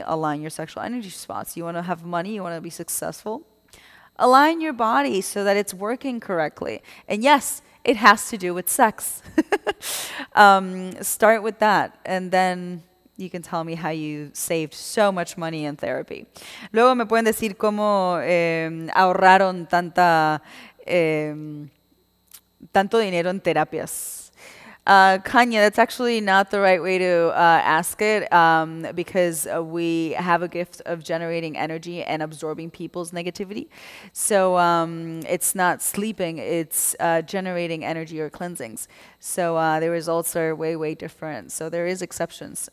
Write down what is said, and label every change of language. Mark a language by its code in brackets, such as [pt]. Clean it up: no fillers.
[en] Align your sexual energy spots. You want to have money? You want to be successful? Align your body so that it's working correctly. And yes, it has to do with sex. Start with that, and then you can tell me how you saved so much money in therapy. [es] Luego me pueden decir cómo ahorraron tanto dinero en terapias. [en] Kanye, that's actually not the right way to ask it, because we have a gift of generating energy and absorbing people's negativity. So it's not sleeping, it's generating energy or cleansings. So the results are way, way different. So there is exceptions.